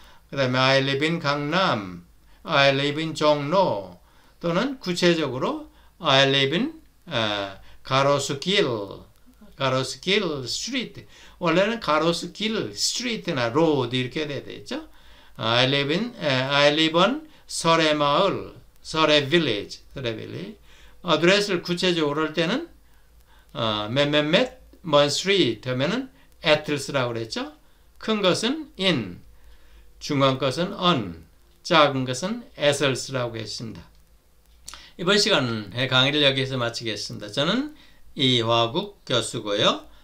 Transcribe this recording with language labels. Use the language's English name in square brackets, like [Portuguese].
[Korean] 그 다음에 [English] I live in 강남. I live in 종로. [Korean] 또는 구체적으로 [English] I live in 가로수길. [Korean] 가로수길 스트리트. 원래는 가로수길 스트리트나 로드 이렇게 돼야 되죠. [English] I live on 설의 마을. [Korean] 설의 빌리지. 설의 빌리지. 어드레스를 구체적으로 할 때는 몇몇몇 먼 스트리트 하면은 애틀스라고 그랬죠. 큰 것은 인, 중간 것은 언, 작은 것은 애슬스라고 했습니다. 이번 시간에 강의를 여기서 마치겠습니다. 저는 이화국 교수고요.